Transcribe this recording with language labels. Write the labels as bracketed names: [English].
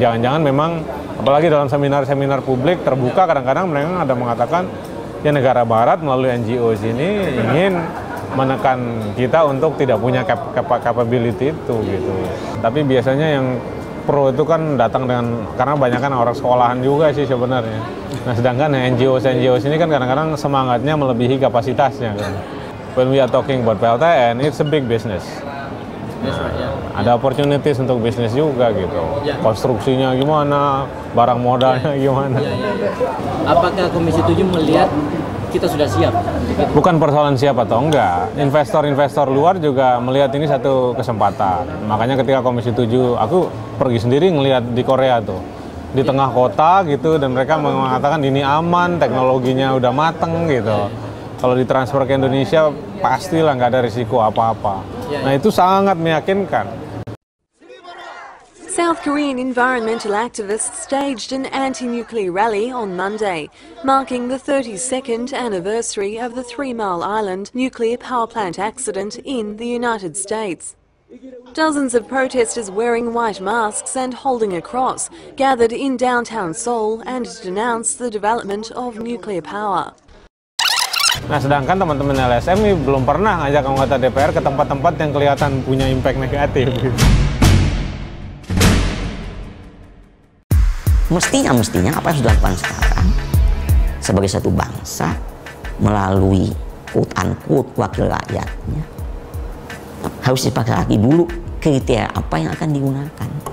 [Indonesian] Jangan-jangan memang, apalagi dalam seminar-seminar publik terbuka, kadang-kadang mereka ada mengatakan, ya negara barat melalui NGO sini ingin menekan kita untuk tidak punya capability itu gitu. Tapi biasanya yang pro itu kan datang dengan, karena banyak kan orang sekolahan juga sih sebenarnya. Nah, sedangkan NGO sini kan kadang-kadang semangatnya melebihi kapasitasnya kan. [English] When we are talking about PLTN, it's a big business. [Indonesian] Ada opportunities untuk bisnis juga gitu. Konstruksinya gimana, barang modalnya gimana. Apakah Komisi 7 melihat kita sudah siap? Bukan persoalan siap atau enggak. Investor-investor luar juga melihat ini satu kesempatan. Makanya ketika Komisi 7, aku pergi sendiri ngelihat di Korea tuh. Di tengah kota gitu, dan mereka mengatakan ini aman, teknologinya udah mateng gitu. Kalau ditransfer ke Indonesia, pastilah nggak ada risiko apa-apa. Nah, itu sangat meyakinkan. [English] South Korean environmental activists staged an anti-nuclear rally on Monday, marking the 32nd anniversary of the Three Mile Island nuclear power plant accident in the United States. Dozens of protesters wearing white masks and holding a cross gathered in downtown Seoul and denounced the development of nuclear power. [Indonesian] Nah, sedangkan teman-teman LSM ini belum pernah ngajak anggota DPR ke tempat-tempat yang kelihatan punya impact negatif. Mestinya apa yang sudah dilakukan sekarang sebagai satu bangsa melalui quote-unquote wakil rakyatnya, harus dipakai lagi dulu kriteria apa yang akan digunakan.